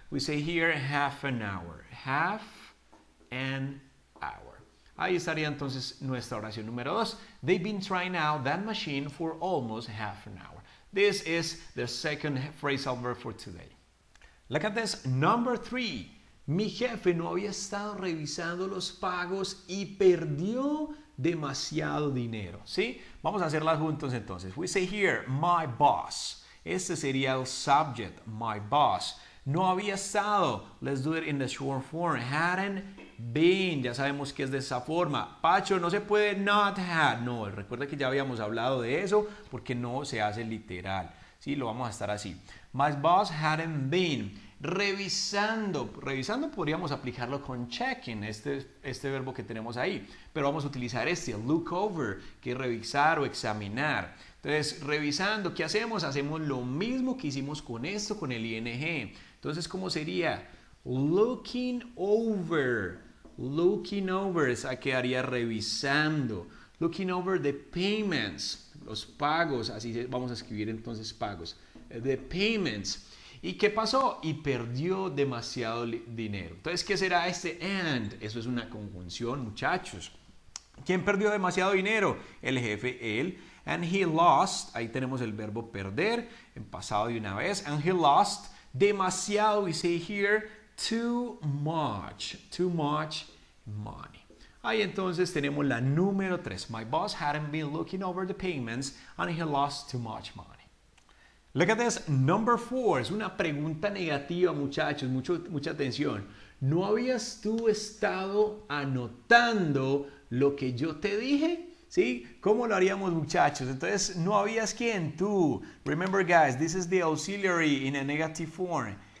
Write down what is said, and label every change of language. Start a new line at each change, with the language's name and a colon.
English: We say here half an hour, half an hour.
Spanish: Ahí estaría entonces nuestra oración número dos.
English: They've been trying out that machine for almost half an hour. This is the second phrasal verb for today. Look at this. Number three.
Spanish: Mi jefe no había estado revisando los pagos y perdió demasiado dinero. ¿Sí? Vamos a hacerlas juntos entonces.
English: We say here, my boss.
Spanish: Este sería el subject, my boss. No había estado.
English: Let's do it in the short form. Hadn't been.
Spanish: Ya sabemos que es de esa forma. Pacho, no se puede not had. No, recuerda que ya habíamos hablado de eso porque no se hace literal. Sí, lo vamos a estar así.
English: My boss hadn't been. Revisando.
Spanish: Revisando podríamos aplicarlo con checking, este verbo que tenemos ahí. Pero vamos a utilizar este, look over, que es revisar o examinar. Entonces, revisando, ¿qué hacemos? Hacemos lo mismo que hicimos con esto, con el ing. Entonces, ¿cómo sería?
English: Looking over. Looking over.
Spanish: Esa quedaría revisando.
English: Looking over the payments.
Spanish: Los pagos. Así vamos a escribir entonces pagos.
English: The payments.
Spanish: ¿Y qué pasó? Y perdió demasiado dinero. Entonces, ¿qué será este and? Eso es una conjunción, muchachos. ¿Quién perdió demasiado dinero? El jefe, él.
English: And he lost.
Spanish: Ahí tenemos el verbo perder en pasado de una vez.
English: And he lost demasiado. We say here too much money.
Spanish: Ahí entonces tenemos la número 3.
English: My boss hadn't been looking over the payments and he lost too much money. Look at this. Number 4.
Spanish: Es una pregunta negativa, muchachos. Mucha atención. ¿No habías tú estado anotando lo que yo te dije? ¿Sí? ¿Cómo lo haríamos, muchachos? Entonces, ¿no habías quién? Tú.
English: Remember, guys, this is the auxiliary in a negative form.